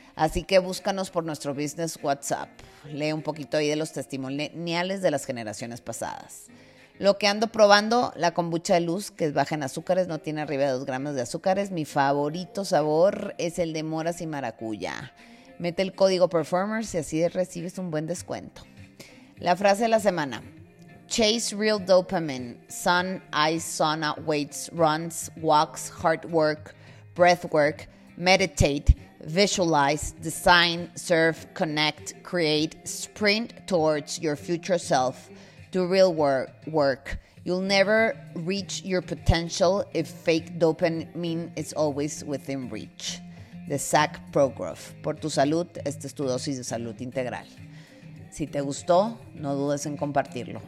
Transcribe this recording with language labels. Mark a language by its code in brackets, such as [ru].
[es] Así que búscanos por nuestro business WhatsApp. Lee un poquito ahí de los testimoniales de las generaciones pasadas. Lo que ando probando, la kombucha de luz, que es baja en azúcares, no tiene arriba de 2 gramos de azúcares. Mi favorito sabor es el de moras y maracuya. Mete el código PERFORMERS y así recibes un buen descuento. La frase de la semana. [en] Chase real dopamine. Sun, ice, sauna, weights, runs, walks, heart work, breath work, meditate, visualize, design, serve, connect, create, sprint towards your future self, do real work. You'll never reach your potential if fake dopamine is always within reach. The Zach Progroff. [es] Por tu salud, esta es tu dosis de salud integral. Si te gustó, no dudes en compartirlo.